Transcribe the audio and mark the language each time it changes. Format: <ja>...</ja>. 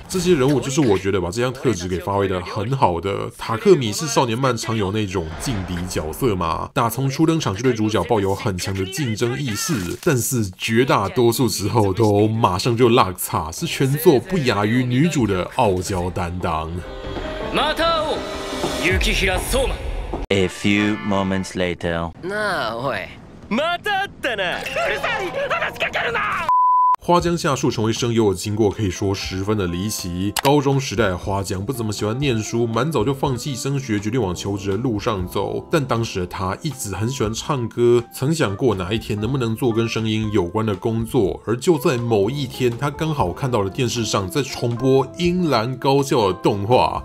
<zh>这些人物就是我觉得把这项特质给发挥得很好的。塔克米是少年漫常有那种劲敌角色嘛，打从初登场就对主角抱有很强的竞争意识，但是绝大多数时候都马上就落差，是全作不亚于女主的傲娇担当。</zh> <ja>また会おう、雪平そうま。</ja> <en>A few moments later。</en> <ja>なあ、おい。また会ったな。うるさい、話しかけるな。</ja> <zh>花江夏树成为声优的经过可以说十分的离奇。高中时代的花江不怎么喜欢念书，蛮早就放弃升学，决定往求职的路上走。但当时的他一直很喜欢唱歌，曾想过哪一天能不能做跟声音有关的工作。而就在某一天，他刚好看到了电视上在重播《樱兰高校》的动画。</zh>